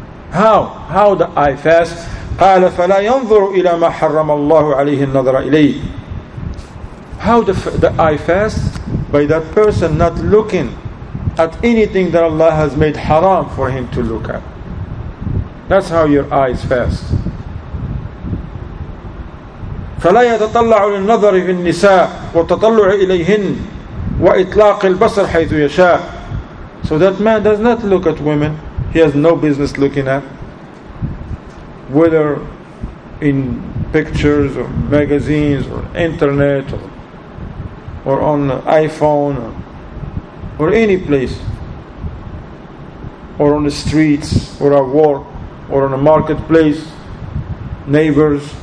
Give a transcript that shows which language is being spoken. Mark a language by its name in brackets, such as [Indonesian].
[English] How? How the eye fast? [Arabic] قَالَ فَلَا يَنظُرُ إِلَى مَا حَرَّمَ اللَّهُ عَلَيْهِ النَّظَرَ إِلَيْهِ. [English] How the eye fast? By that person not looking at anything that Allah has made haram for him to look at. That's how your eyes fast. [Arabic] فلا يتطلع للنظر في النساء وتطلع إليهن وإطلاق البصر حيث يشاء. [English] So that man does not look at women. He has no business looking at, whether in pictures or magazines or internet or on iPhone or any place or on the streets or at work or on a marketplace, neighbors.